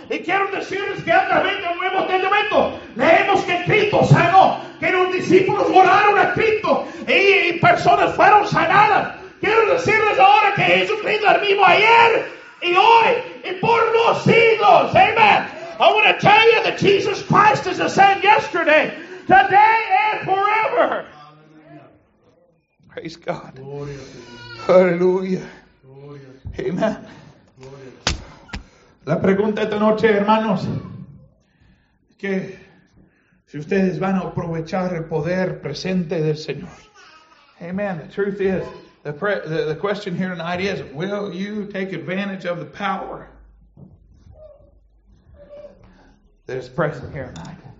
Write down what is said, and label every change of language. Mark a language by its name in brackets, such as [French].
[Spanish] Y quiero decirles que a través del Nuevo Testamento leemos que Cristo sanó, que los discípulos oraron a Cristo y personas fueron sanadas. Quiero decirles ahora que Jesucristo es el mismo ayer y hoy y por los siglos. Amen. [English] I want to tell you that Jesus Christ is the same yesterday, today, and forever. Praise God. Hallelujah. Amen. [Spanish] La pregunta esta noche, hermanos, es que si ustedes van a aprovechar el poder presente del Señor. Amen. [English] The truth is, the question here tonight is, will you take advantage of the power that is present here tonight?